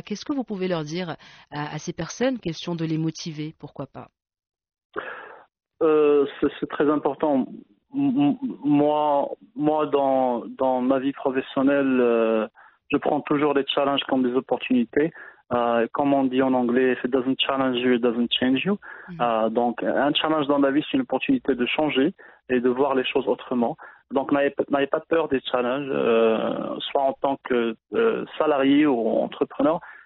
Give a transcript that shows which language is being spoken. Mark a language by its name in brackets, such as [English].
[French] Qu'est-ce que vous pouvez leur dire à ces personnes? Question de les motiver, pourquoi pas? C'est très important. Moi dans ma vie professionnelle, je prends toujours les challenges comme des opportunités. Comme on dit en anglais, [English] if it doesn't challenge you, it doesn't change you. [French] Donc, un challenge dans la vie, c'est une opportunité de changer et de voir les choses autrement. Donc, n'ayez pas peur des challenges, soit en tant que salarié ou entrepreneur.